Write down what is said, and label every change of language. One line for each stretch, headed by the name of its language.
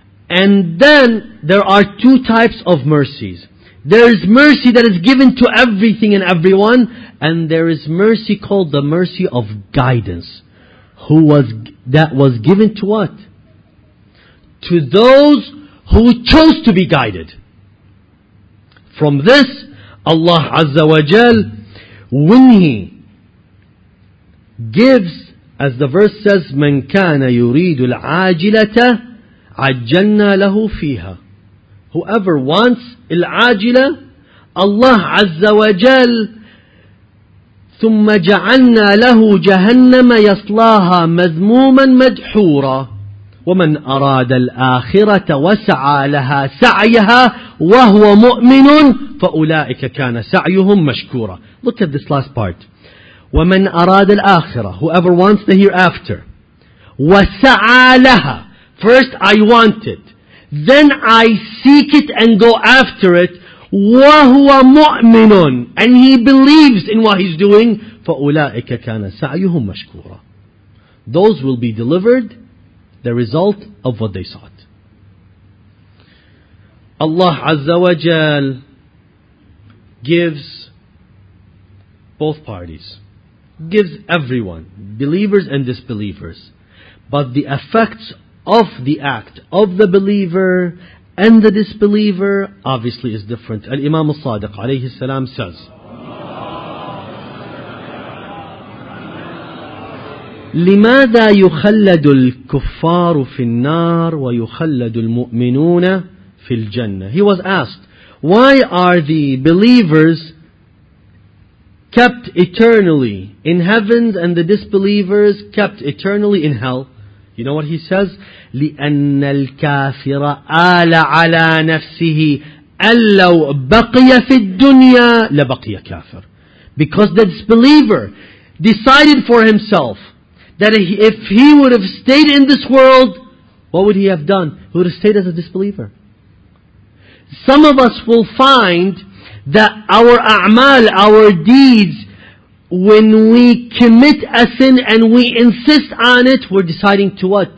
English: And then there are two types of mercies. There is mercy that is given to everything and everyone, and there is mercy called the mercy of guidance. That was given to what? To those who chose to be guided. From this, Allah Azza wa Jal, when He gives, as the verse says,
Arabic: مَنْ كَانَ يُرِيدُ الْعَاجِلَةَ عَجَّلْنَا لَهُ فِيهَا,
English: whoever wants al-ajila, Allah Azza wa Jal,
Arabic: ثُمَّ جَعَلْنَا لَهُ جَهَنَّمَ يَصْلَاهَا مَذْمُومًا مَدْحُورًا وَمَنْ أَرَادَ الْآخِرَةَ وَسَعَى لَهَا سَعْيَهَا وَهُوَ مُؤْمِنٌ فَأُولَٰئِكَ كَانَ سَعْيُهُمْ مَشْكُورًا.
English: Look at this last part.
Arabic: وَمَنْ أَرَادَ الْآخِرَةَ,
English: whoever wants the hereafter.
Arabic: وَسَعَى لَهَا,
English: first I want it, then I seek it and go after it.
Arabic: وَهُوَ مُؤْمِنٌ,
English: and he believes in what he's doing.
Arabic: فَأُولَٰئِكَ كَانَ سَعْيُهُمْ مَشْكُورًا.
English: Those will be delivered the result of what they sought. Allah Azza wa Jal gives both parties, gives everyone, believers and disbelievers. But the effects of the act of the believer and the disbeliever obviously is different.
Arabic: Al-Imam al-Sadiq alayhi salam says, لماذا يخلد الكفار في النار ويخلد المؤمنون في الجنة?
English: He was asked, why are the believers kept eternally in heavens and the disbelievers kept eternally in hell? You know what he says?
Arabic: لأن الكافر آل على نفسه أن لو بقي في الدنيا لبقي كافر.
English: Because the disbeliever decided for himself that if he would have stayed in this world, what would he have done? He would have stayed as a disbeliever. Some of us will find that our a'mal, our deeds, when we commit a sin and we insist on it, we're deciding to what?